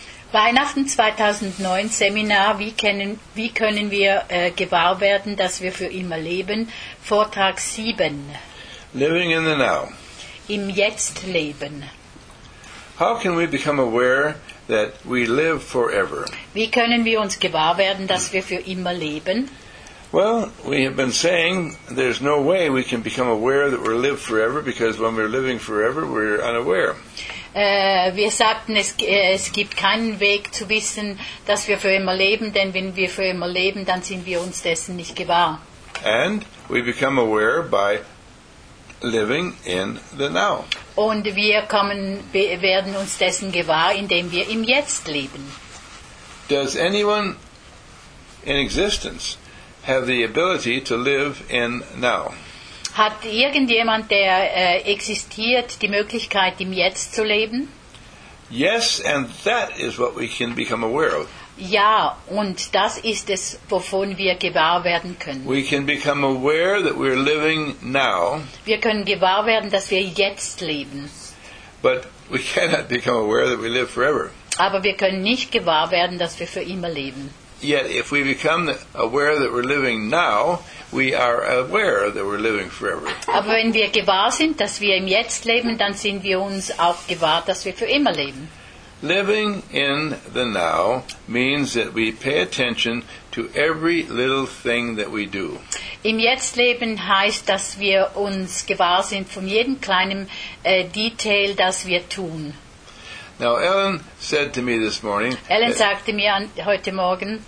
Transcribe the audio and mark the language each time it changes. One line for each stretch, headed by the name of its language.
German: Weihnachten 2009 Seminar, wie können wir gewahr werden, dass wir für immer leben, Vortrag 7.
English: Living in the Now.
German: Im Jetzt leben.
English: How can we become aware that we live forever?
German: Wie können wir uns gewahr werden, dass wir für immer leben?
English: Well, we have been saying there's no way we can become aware that we're live forever because when we're living forever, we're unaware.
German: Wir sagten, es gibt keinen Weg zu wissen, dass wir für immer leben, denn wenn wir für immer leben, dann sind wir uns dessen nicht gewahr.
English: And we become aware by living in the now.
German: Und wir werden uns dessen gewahr, indem wir im Jetzt leben.
English: Does anyone in existence have the ability to live in now?
German: Hat irgendjemand, der existiert, die Möglichkeit, im Jetzt zu leben?
English: Yes, and that is what we can become aware of.
German: Ja, und das ist es, wovon wir gewahr werden können.
English: We can become aware that we're living now.
German: Wir können gewahr werden, dass wir jetzt leben.
English: But we cannot become aware that we live forever.
German: Aber wir können nicht gewahr werden, dass wir für immer leben.
English: Yet if we become aware that we're living now, we are aware that we're living forever.
German: Aber wenn wir gewahr sind, dass wir im Jetzt leben, dann sind wir uns auch gewahr, dass wir für immer leben.
English: Living in the now means that we pay attention to every little thing that we do.
German: Im Jetzt leben heißt, dass wir uns gewahr sind von jedem kleinen Detail, das wir tun.
English: Now Ellen said to me this morning.
German: Ellen sagte mir heute Morgen.